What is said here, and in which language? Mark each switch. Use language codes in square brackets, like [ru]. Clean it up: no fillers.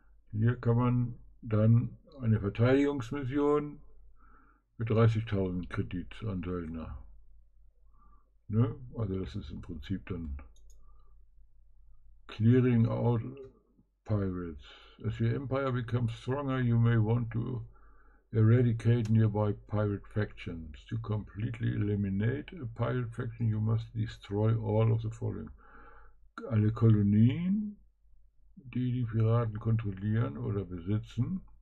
[de] Hier kann man dann eine Verteidigungsmission mit 30.000 Kredit an Söldner. Ne? Also das ist im Prinzip dann [en] Clearing out Pirates. As your empire becomes stronger, you may want to eradicate nearby pirate factions. To completely eliminate a pirate faction, you must destroy all of the following. [de] Alle Kolonien, die die Piraten kontrollieren oder besitzen.